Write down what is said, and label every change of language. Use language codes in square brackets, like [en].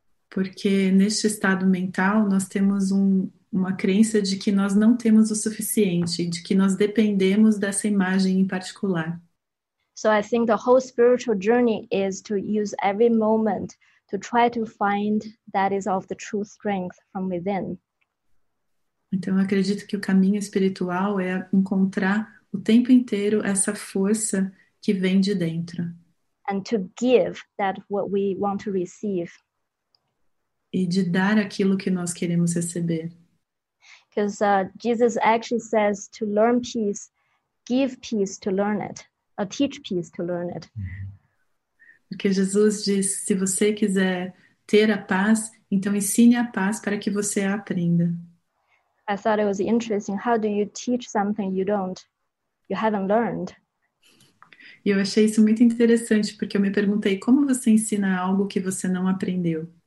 [pt] Porque neste estado mental, nós temos uma crença de que nós não temos o suficiente, de que nós dependemos dessa imagem em particular. [en] So I think the whole spiritual journey is to use every moment to try to find that is of the true strength from within. [pt] Então, eu acredito que o caminho espiritual é encontrar o tempo inteiro essa força que vem de dentro. [en] And to give that what we want to receive. [pt] E de dar aquilo que nós queremos receber. [en] Because Jesus actually says to learn peace, give peace to learn it, or teach peace to learn it. [pt] Porque Jesus diz, se você quiser ter a paz, então ensine a paz para que você a aprenda. [en] I thought it was interesting. How do you teach something you haven't learned? [pt] E eu achei isso muito interessante, porque eu me perguntei, como você ensina algo que você não aprendeu?